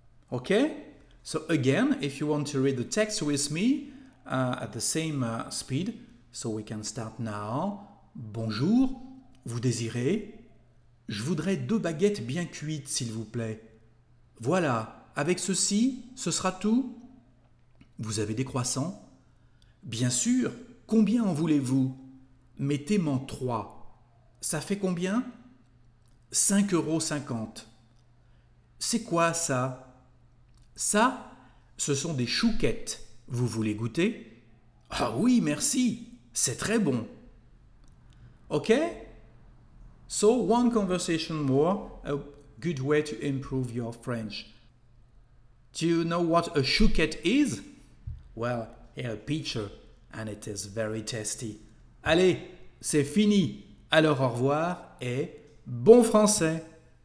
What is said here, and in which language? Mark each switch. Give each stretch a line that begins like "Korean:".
English: Ok, so again, if you want to read the text with me at the same speed, so we can start now.
French: Bonjour, vous désirez? Je voudrais deux baguettes bien cuites, s'il vous plaît. Voilà, avec ceci, ce sera tout. Vous avez des croissants? Bien sûr, combien en voulez-vous? Mettez-m'en trois. Ça fait combien? 5,50 €. C'est quoi ça? Ça, ce sont des chouquettes. Vous voulez goûter? Ah oui, merci. C'est très bon. Ok?
English: So, one conversation more, a good way to improve your French. Do you know what a chouquette is? Well, here a picture, and it is very tasty.
French: Allez, c'est fini. Alors, au revoir et bon français!